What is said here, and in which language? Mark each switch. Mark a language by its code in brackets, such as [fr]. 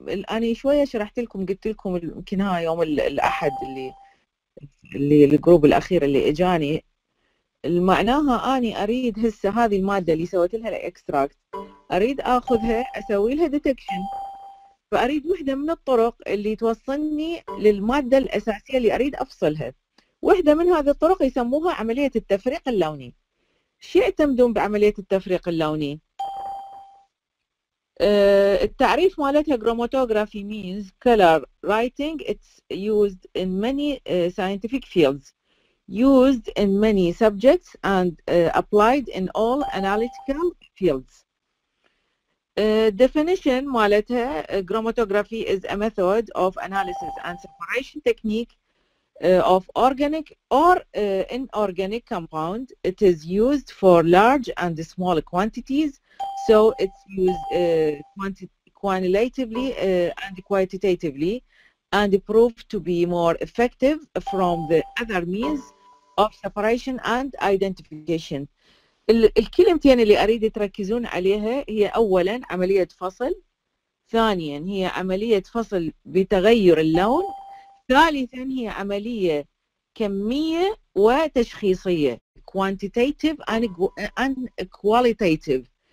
[ar] أنا شويه شرحت لكم، قلت لكم يمكن ها يوم الاحد اللي الجروب الاخير اللي اجاني معناها اني اريد هسه هذه الماده اللي سويت لها الاكستراكت اريد اخذها اسوي لها ديتكشن، فاريد وحده من الطرق اللي توصلني للماده الاساسيه اللي اريد افصلها. وحده من هذه الطرق يسموها عمليه التفريق اللوني. شو يعتمدون بعمليه التفريق اللوني؟ التعريف مالتها كروماتوغرافي [en] means color writing. It's used in many scientific fields, used in many subjects and applied in all analytical fields. Definition [ar] مالتها كروماتوغرافي [en] is a method of analysis and separation technique of organic or inorganic compound. It is used for large and small quantities. So it's used quantitatively and quantitatively and proved to be more effective from the other means of separation and identification. [ar] الكلمتين اللي اريد تركزون عليها هي اولا عملية فصل، ثانيا هي عملية فصل بتغير اللون، ثالثا هي عملية كمية وتشخيصية [en] quantitative and qualitative.